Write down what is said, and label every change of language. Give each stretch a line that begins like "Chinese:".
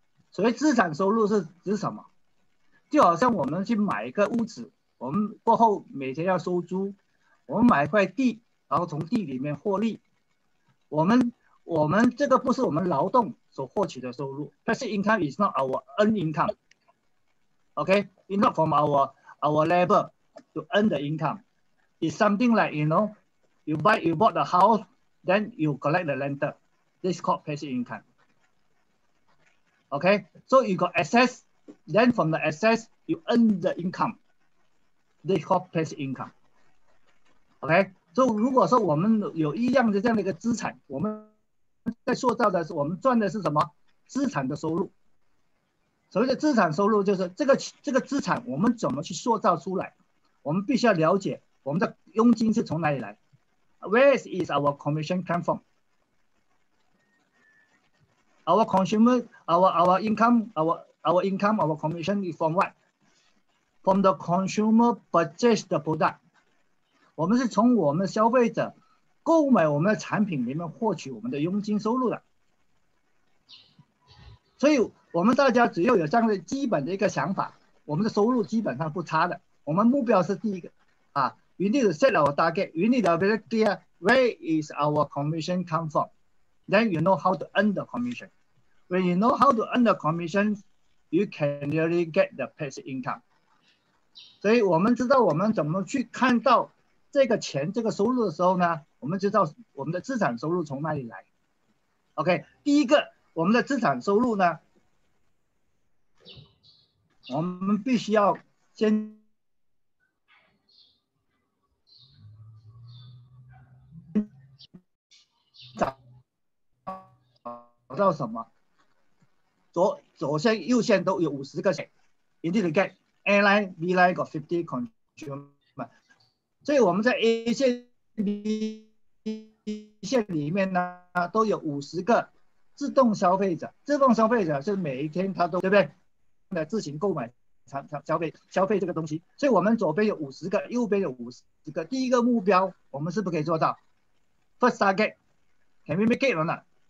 Chinese: 所谓资产收入是指什么？就好像我们去买一个屋子，我们过后每天要收租，我们买一块地，然后从地里面获利。我们这个不是我们劳动所获取的收入。
English: Passive income is not our earn income. Okay, it's not from our labor to earn the income. It's something like, you know, you bought the house, then you collect the rental. This is called passive income. Okay, so you got access, then from the access, you earn the income. This is called passive income.
Chinese: Okay, so 如果说我们有一样的这样的一个资产，我们在塑造的是我们赚的是什么？资产的收入。所谓的资产收入就是这个资产我们怎么去塑造出来，我们必须要了解我们的佣金是从哪里来。
English: Where is our commission come from? Our consumer, our income, our commission is from what? From the consumer purchase the product.
Chinese: 我们是从我们消费者购买我们的产品里面获取我们的佣金收入的。所以我们大家只要有这样的基本的一个想法，我们的收入基本上不差的。我们目标是第一个啊，
English: we need to set our target, we need to be very clear where is our commission come from, then you know how to earn the commission. When you know how to earn the commission, you can really get the passive income.
Chinese: 所以我们知道我们怎么去看到这个钱这个收入的时候呢，我们知道我们的资产收入从哪里来。 OK, 第一个我们的资产收入呢，我们必须要先找到什么？左线、右线都有50个钱。
English: You need to get A line, B line got 50 consumer.
Chinese: 所以我们在 A 线、B 线里面呢，都有50个自动消费者。自动消费者是每一天他都对不对？自行购买消费这个东西，所以我们左边有50个，右边有50个。第一个目标我们是不可以做到。
English: First target, can we make it or not?